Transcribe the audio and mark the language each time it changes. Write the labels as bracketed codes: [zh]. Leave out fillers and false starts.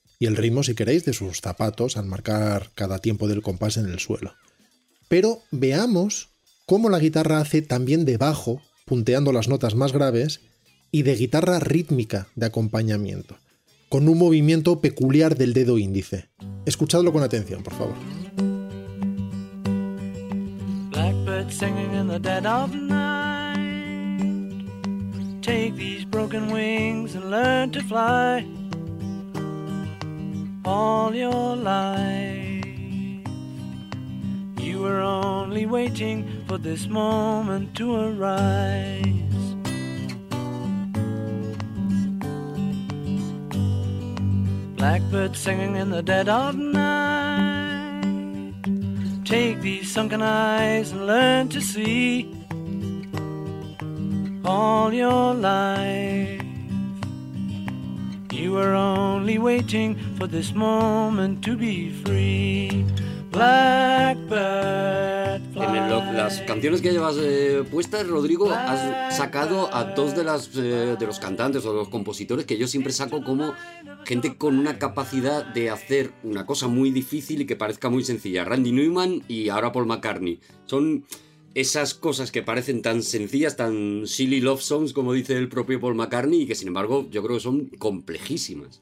[es] Y el ritmo, si queréis, de sus zapatos al marcar cada tiempo del compás en el suelo. Pero veamos cómo la guitarra hace también de bajo, punteando las notas más graves, y de guitarra rítmica de acompañamiento, con un movimiento peculiar del dedo índice. Escuchadlo con atención, por favor. [en] Blackbird singing in the dead of night. Take these broken wings and learn to fly. All your life, you were only waiting for this moment to arise. Blackbird singing in the dead of night. Take these sunken eyes and learn to see. All your life, you are only waiting for this moment to be free. Blackbird, fly. [es] En las canciones que llevas puestas, Rodrigo, Blackbird, has sacado a dos de los cantantes o de los compositores que yo siempre saco como gente con una capacidad de hacer una cosa muy difícil y que parezca muy sencilla. Randy Newman y ahora Paul McCartney. Son esas cosas que parecen tan sencillas, tan silly love songs, como dice el propio Paul McCartney, y que sin embargo yo creo que son complejísimas.